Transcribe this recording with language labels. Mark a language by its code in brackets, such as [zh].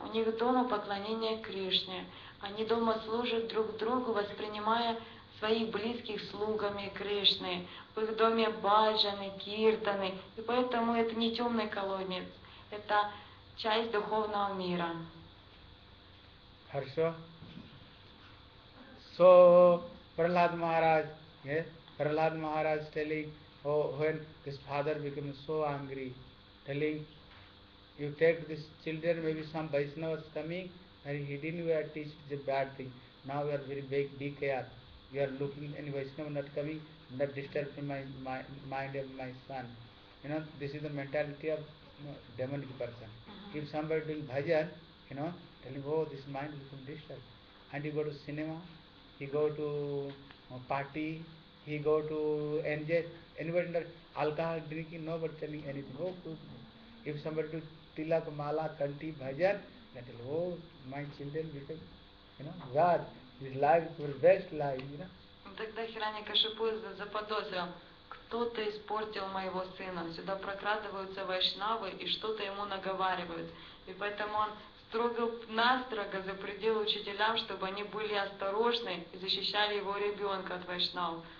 [ru] У них дома поклонение Кришне. Они дома служат друг другу, воспринимая своих близких слугами Кришны. В их доме баджаны, киртаны. И поэтому это не темный колодец. Это часть духовного мира. Хорошо. [en] So, Prahlad Maharaj, Prahlad Maharaj telling, oh, when his father became so angry, telling, you take these children, maybe some Vaishnava is coming, and he didn't even teach the bad thing. Now we are very big, be careful. We are looking, any Vaishnava not coming, not disturbing my mind of my son. You know, this is the mentality of demonic person. Uh-huh. If somebody doing bhajan, you know, telling, oh, this mind will become disturbed. And you go to cinema, he go to party, he go to enjoy. Anybody under alcohol drinking, nobody telling anything. Oh, good. If somebody do tilak, mala, kanti, bhajan, that will, oh, my children become, you know, God, his life is your best life, you know. [ru] Тогда Хирани Кашипу заподозрил, кто-то испортил моего сына. Сюда прокрадываются вайшнавы и что-то ему наговаривают. И поэтому он строго-настрого запретил учителям, чтобы они были осторожны и защищали его ребенка от вайшнавов.